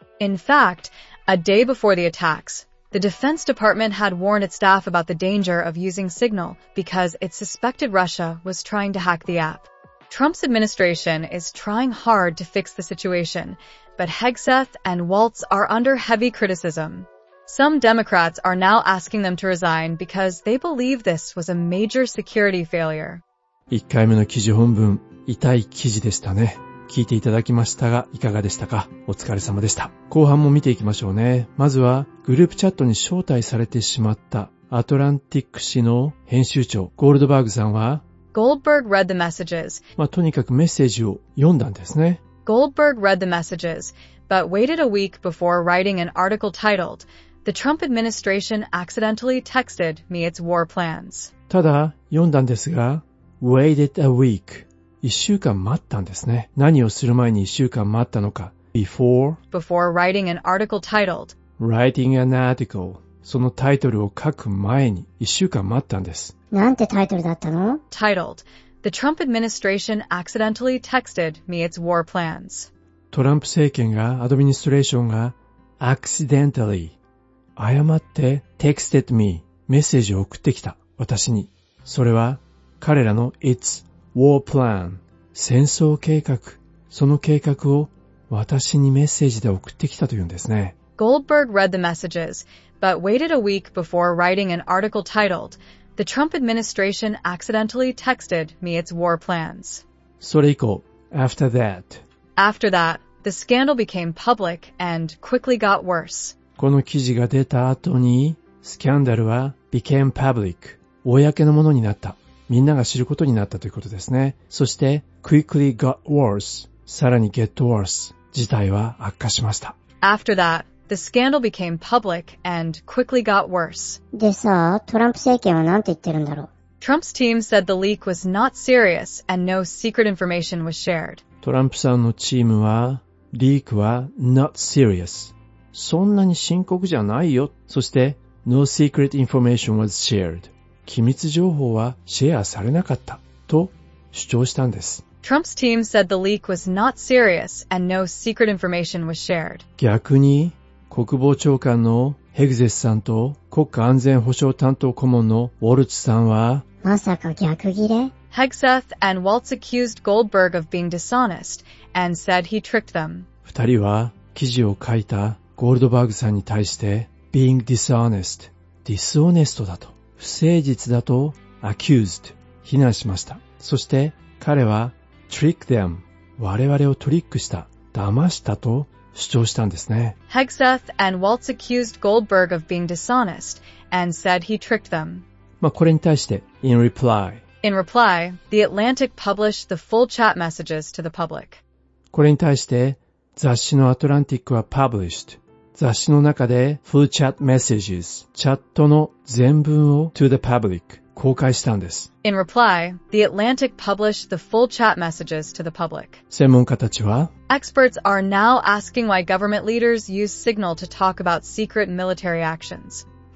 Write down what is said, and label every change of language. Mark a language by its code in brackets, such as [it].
[en] In fact, a day before the attacks, the Defense Department had warned its staff about the danger of using Signal because it suspected Russia was trying to hack the app. Trump's administration is trying hard to fix the situation, but Hegseth and Waltz are under heavy criticism. Some Democrats are now asking them to resign because they believe this was a major security failure. [ja] 1回目の記事本文、痛い記事でしたね。聞いていただきましたが、いかがでしたか？お疲れ様でした。後半も見ていきましょうね。まずは、グループチャットに招待されてしまったアトランティック紙の編集長、ゴールドバーグさんは、 [en] Goldberg read the messages. [ja] まあ、とにかくメッセージを読んだんですね。 [en] Goldberg read the messages, but waited a week before writing an article titled, "The Trump Administration Accidentally Texted Me Its War Plans." [ja] ただ、読んだんですが、 [en] waited a week. [ja] 一週間待ったんですね。何をする前に一週間待ったのか。 [en] before writing an article titled, writing an article. [ja] そのタイトルを書く前に一週間待ったんです。なんてタイトルだったの? [en] Titled, "The Trump Administration Accidentally Texted Me Its War Plans." [ja] トランプ政権が、アドミニストレーションが、 [en] accidentally, [ja] 誤って [en] texted me, [ja] メッセージを送ってきた、私に。それは、彼らの [en] its war plan, [ja] 戦争計画、その計画を私にメッセージで送ってきたというんですね。 [en] Goldberg read the messages, but waited a week before writing an article titled,The Trump administration accidentally texted me its war plans. [ja] それ以降, [en] after that. After that, the scandal became public and quickly got worse. [ja] この記事が出た後に、スキャンダルは [en] became public. [ja] 公のものになった。みんなが知ることになったということですね。そして [en] quickly got worse. [ja] さらに [en] get worse. [ja] 事態は悪化しました。 [en] After that,The scandal became public and quickly got worse. [ja] でさ、トランプ政権はなんて言ってるんだろう? [en] Trump's team said the leak was not serious and no secret information was shared. [ja] トランプさんのチームは、リークは [en] not serious. [ja] そんなに深刻じゃないよ。そして、 [en] no secret information was shared. [ja] 機密情報はシェアされなかった。と主張したんです。 [en] Trump's team said the leak was not serious and no secret information was shared. [ja] 逆に、国防長官のヘグゼスさんと国家安全保障担当顧問のウォルツさんは、まさか逆切れ? [en] Hegseth and Waltz accused Goldberg of being dishonest and said he tricked them. [ja] 二人は記事を書いたゴールドバーグさんに対して [en] being dishonest, dishonest [ja] だと、不誠実だと [en] accused, [ja] 非難しました。そして彼は [en] trick them, [ja] 我々をトリックした、騙したと主張したんですね。 [en] Hegseth and Waltz accused Goldberg of being dishonest and said he tricked them. [ja] まあこれに対して、 [en] In reply, The Atlantic published the full chat messages to the public. [ja] これに対して、雑誌のアトランティックは [en] published。 [ja] 雑誌の中で [en] full chat messages、 [ja] チャットの全文を [en] to the public、 [ja] 公開したんです。 [en] In reply, The Atlantic published the full chat messages to the public. [ja] 専門家たちは、 [en] Experts are now asking why government leaders use Signal to talk about secret military actions.